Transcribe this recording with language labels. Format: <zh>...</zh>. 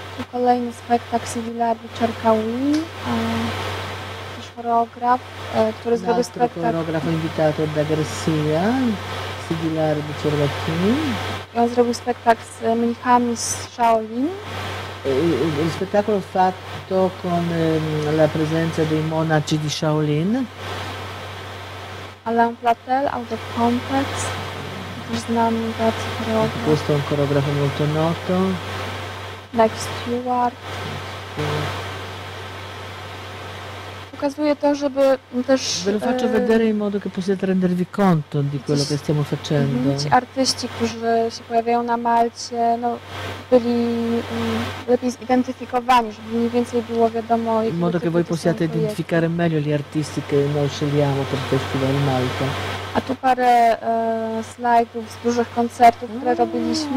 <pl>Kolejny spektakl Sybilla Bucharkawi, też choreograf, który zrobił spektakl.</pl> <it>Un altro coreografo invitato da Garcia, Sybilla Bucharkawi.</it> <pl>I on zrobił spektakl z mnichami z Shaolin.</pl> <it>Il spettacolo fatto con la presenza dei monaci di Shaolin.</it> <pl>Alain Platel, out of context, też znany bardzo choreograf.</pl> <it>Questo è un coreografo molto noto.</it> <en>Like Stewart.</en> <pl>Pokazuje to, żeby też...</pl> <it>Ve lo faccio vedere in modo che possiate rendervi conto di quello che stiamo facendo.</it> <pl>Ci artyści, którzy się pojawiają na Malcie, no, byli lepiej zidentyfikowani, żeby mniej więcej było wiadomo...</pl> <it>In modo che voi possiate identificare meglio gli artisti che noi scegliamo per festival in Malta.</it> <pl>A tu parę slajdów z dużych koncertów, które robiliśmy.</pl>